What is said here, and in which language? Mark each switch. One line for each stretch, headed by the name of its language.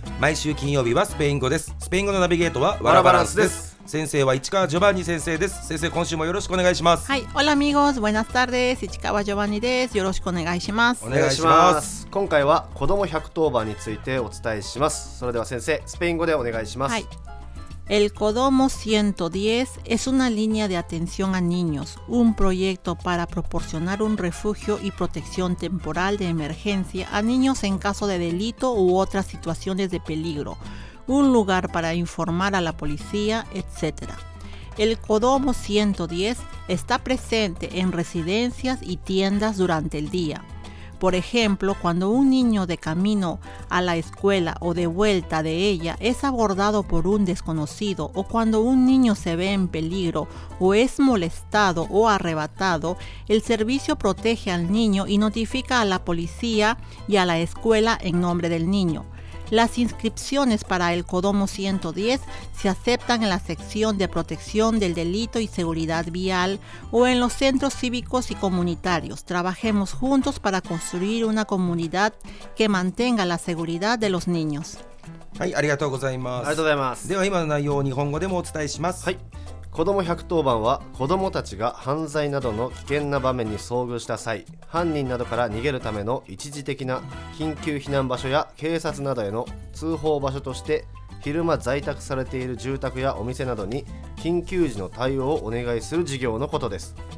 Japanese: 毎週金曜日はスペイン語です。スペイン語のナビゲートはワラバランスです。先生は市川ジョバンニ先生です。先生、今週もよろしくお願いします。はい、オラミゴーズ、ボイナスタールです。市川ジョバンニです。よろしくお願いします。お願いします。今回は子供百刀番についてお伝えします。それでは先生、スペイン語でお願いします。はい、
Spanish: El Codomo 110 es una línea de atención a niños, un proyecto para proporcionar un refugio y protección temporal de emergencia a niños en caso de delito u otras situaciones de peligro, un lugar para informar a la policía, etc. El Codomo 110 está presente en residencias y tiendas durante el día. Por ejemplo, cuando un niño de camino a la escuela o de vuelta de ella es abordado por un desconocido, o cuando un niño se ve en peligro o es molestado o arrebatado, el servicio protege al niño y notifica a la policía y a la escuela en nombre del niño. Las inscripciones para el Codomo 110 se aceptan en la sección de protección del delito y seguridad vial o en los centros cívicos y comunitarios. Trabajemos juntos para construir una comunidad que mantenga la seguridad de los niños.
Japanese: はい、ありがとうございます。ありがとうございます。では今の内容を日本語でもお伝えします。はい。子ども110番は、子どもたちが犯罪などの危険な場面に遭遇した際、犯人などから逃げるための一時的な緊急避難場所や警察などへの通報場所として、昼間在宅されている住宅やお店などに緊急時の対応をお願いする事業のことです。